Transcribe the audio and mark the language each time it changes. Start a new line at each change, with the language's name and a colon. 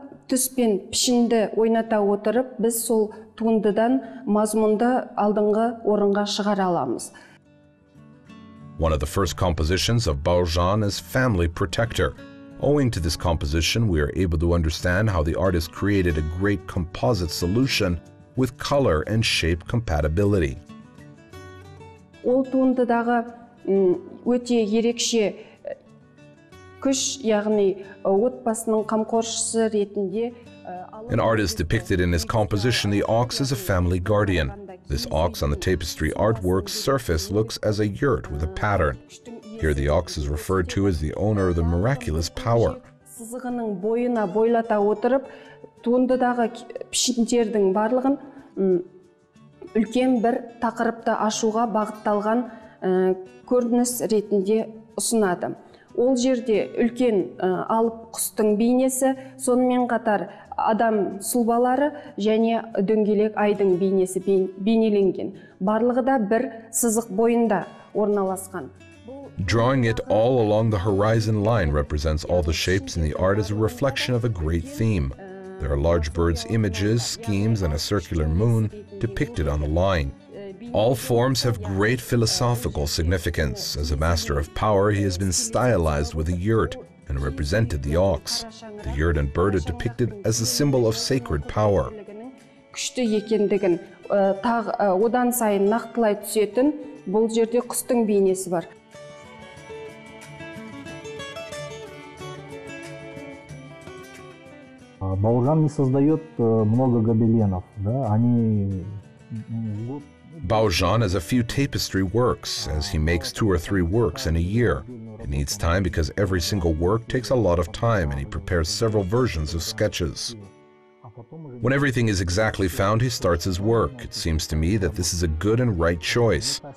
Kazakh: түс пен пішінді ойната отырып, біз сол туындыдан мазмұнды алдыңғы орынға шығара аламыз.
English: One of the first compositions of Baurzhan is Family Protector. Owing to this composition, we are able to understand how the artist created a great composite solution with color and shape compatibility.
Kazakh: Ол туындыдағы өте ерекше күш, яғни отбасының қамқоршысы ретінде.
English: An artist depicted in his composition the ox as a family guardian. This ox on the tapestry artwork's surface looks as a yurt with a pattern. Here the ox is referred to as the owner of the miraculous power.
Kazakh: Сызығының бойына бойлата отырып, туындыдағы пішіндердің барлығын үлкен бір тақырыпты ашуға бағытталған көрініс ретінде ұсынады. Ол жерде үлкен алып құстың бейнесі, сонымен қатар адам сұлбалары және дөңгелек айдың бейнесі бейнеленген. Барлығы да бір сызық бойында орналасқан.
English: Drawing it all along the horizon line represents all the shapes in the art as a reflection of a great theme. There are large birds' images, schemes, and a circular moon depicted on the line. All forms have great philosophical significance. As a master of power, he has been stylized with a yurt and represented the ox. The yurt and bird are depicted as a symbol of sacred power.
Kazakh: Күшті екендігін одан сайын нақтылай түсетін бұл жерде құстың бейнесі бар.
Russian: Баурзан создает много гобеленов, да? Они
English: Baurzhan has a few tapestry works, as he makes two or three works in a year. It needs time because every single work takes a lot of time and he prepares several versions of sketches. When everything is exactly found, he starts his work. It seems to me that this is a good and right choice.